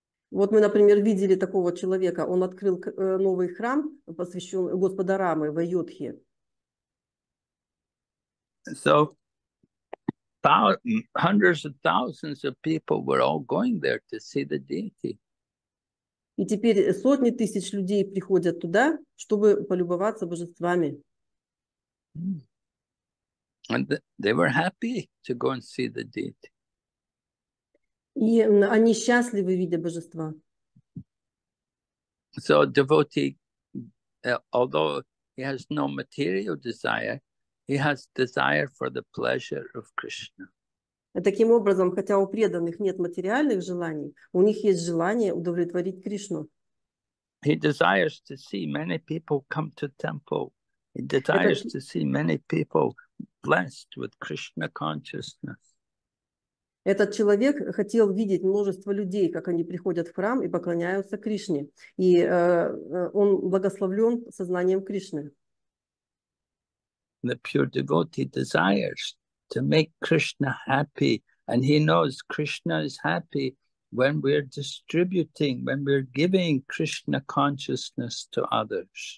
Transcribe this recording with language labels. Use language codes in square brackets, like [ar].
[ru] Вот мы, например, видели такого человека. Он открыл новый храм, посвященный Господу Раме в Айодхе. [en] So, hundreds of thousands of people were all going there to see the deity. [ru] И теперь сотни тысяч людей приходят туда, чтобы полюбоваться божествами. [en] And they were happy to go and see the deity. [ru] И они счастливы, видя божества. [en] So a devotee, although he has no material desire, he has desire for the pleasure of Krishna. [ru] Таким образом, хотя у преданных нет материальных желаний, у них есть желание удовлетворить Кришну. [en] He desires to see many people come to temple. He desires to see many people blessed with Krishna consciousness. [ru] Этот человек хотел видеть множество людей, как они приходят в храм и поклоняются Кришне. И он благословлен сознанием Кришны. [en] The pure devotee desires to make Krishna happy, and he knows Krishna is happy when we're distributing, when we're giving Krishna consciousness to others.